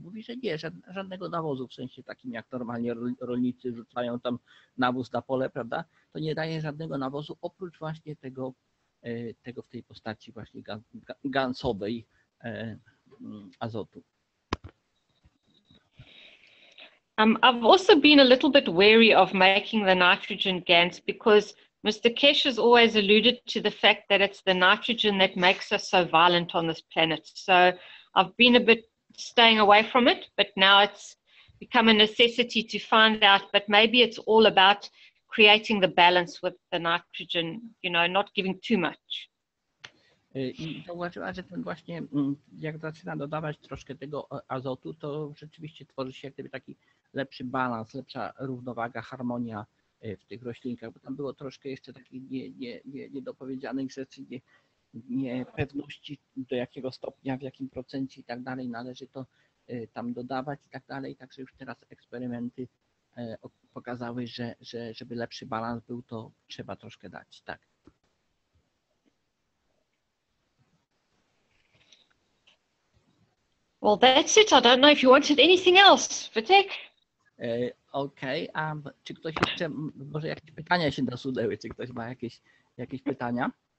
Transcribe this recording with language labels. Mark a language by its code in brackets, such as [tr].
[pl] Mówi, że nie, żadnego nawozu, w sensie takim jak normalnie rolnicy rzucają tam nawóz na pole, prawda, to nie daje żadnego nawozu oprócz właśnie tego w tej postaci właśnie gansowej azotu. [en] I've also been a little bit wary of making the nitrogen gans because Mr. Keshe has always alluded to the fact that it's the nitrogen that makes us so violent on this planet. So I've been a bit staying away from it, but now it's become a necessity to find out. But maybe it's all about creating the balance with the nitrogen, you know, not giving too much. [pl] I zauważyła, że ten właśnie, jak zaczyna dodawać troszkę tego azotu, to rzeczywiście tworzy się jak gdyby taki lepszy balans, lepsza równowaga, harmonia w tych roślinkach, bo tam było troszkę jeszcze takich niedopowiedzianych rzeczy, niepewności, do jakiego stopnia, w jakim procencie i tak dalej należy to tam dodawać i tak dalej. Także już teraz eksperymenty pokazały, że żeby lepszy balans był, to trzeba troszkę dać, tak. [en] Well, that's it. I don't know if you wanted anything else, Vitek. Okay. [pl] Czy ktoś jeszcze, może jakieś pytania się nasunęły, czy ktoś ma jakieś pytania?